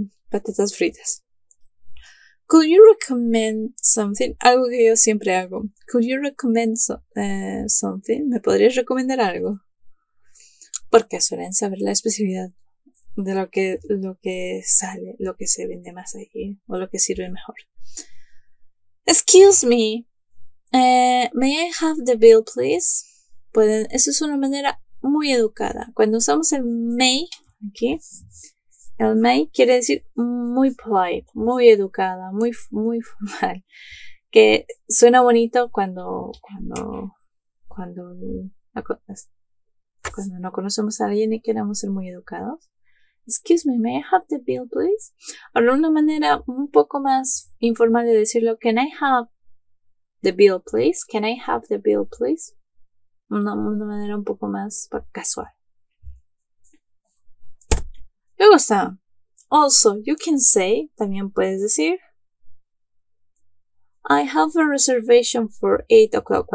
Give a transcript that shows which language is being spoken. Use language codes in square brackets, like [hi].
[es] patatas fritas. [en] Could you recommend something? [es] Algo que yo siempre hago. [en] Could you recommend something? [es] ¿Me podrías recomendar algo? Porque suelen saber la especialidad de lo que sale, lo que se vende más allí o lo que sirve mejor. [en] Excuse me, may I have the bill, please? [es] Pueden, eso es una manera muy educada. Cuando usamos el may aquí, El may quiere decir muy polite, muy educada, muy, muy formal. Que suena bonito cuando no conocemos a alguien y queremos ser muy educados. [en] Excuse me, may I have the bill, please? [es] O una manera un poco más informal de decirlo. [en] Can I have the bill, please? Can I have the bill, please? [es] Una manera un poco más casual. Luego está. [en] Also, you can say, [es] también puedes decir, [en] I have a reservation for 8 o'clock.